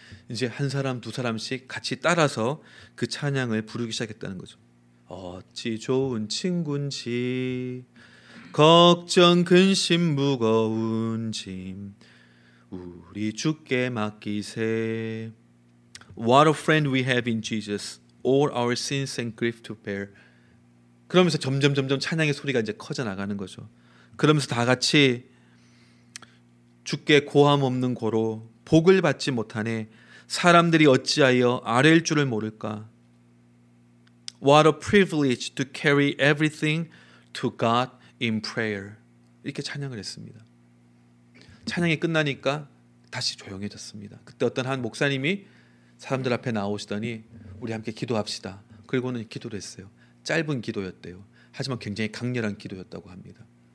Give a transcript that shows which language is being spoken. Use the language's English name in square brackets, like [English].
[Korean] 이제 한 사람 두 사람씩 같이 따라서 그 찬양을 부르기 시작했다는 거죠. 어찌 좋은 친구인지 걱정 근심 무거운 짐 우리 주께 맡기세. [English] What a friend we have in Jesus. All our sins and grief to bear. [Korean] 그러면서 점점 찬양의 소리가 이제 커져 나가는 거죠. 그러면서 다 같이 주께 고함 없는 고로 복을 받지 못하네. 사람들이 어찌하여 아뢸 줄을 모를까. [English] What a privilege to carry everything to God in prayer. [Korean] 이렇게 찬양을 했습니다. 찬양이 끝나니까 다시 조용해졌습니다. 그때 어떤 한 목사님이 사람들 앞에 나오시더니 우리 함께 기도합시다. 그리고는 기도를 했어요. 짧은 기도였대요. 하지만 굉장히 강렬한 기도였다고 합니다.